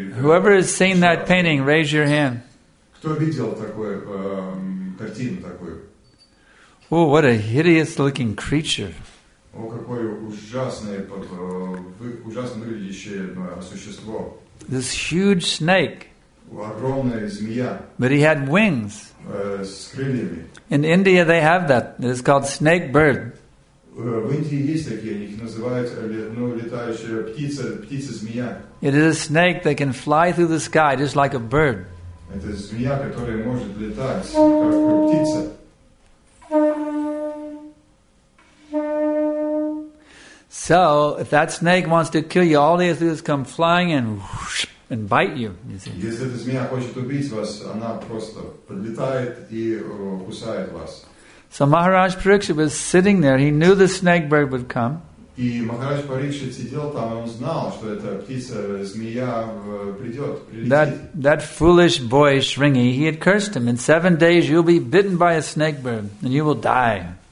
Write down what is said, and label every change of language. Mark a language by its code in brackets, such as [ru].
[en] Whoever has seen that painting, raise your hand. [ru] Кто видел такую картину такую? [en] Oh, what a hideous-looking creature! [ru] О, какое ужасное, ужасно выглядящее существо! [en] This huge snake. [ru] Огромная змея. [en] But he had wings. [ru] С крыльями. [en] In India they have that. It's called snake bird. [ru] В Индии есть такие, они их называют, ну, летающая птица, птица-змея. [en] It is a snake that can fly through the sky just like a bird. [ru] Это змея, которая может летать, как птица. [en] So, if that snake wants to kill you, all they have to do is come flying and whoosh, and bite you, you see. [ru] Если эта змея хочет убить вас, она просто подлетает и кусает вас. [en] So Maharaj Pariksit was sitting there. He knew the snake bird would come. [ru] И Махарадж Парикшит сидел там, он знал, что эта птица, змея, придет. [en] That foolish boy, Шринги, he had cursed him. In 7 days, you'll be bitten by a snake bird, and you will die.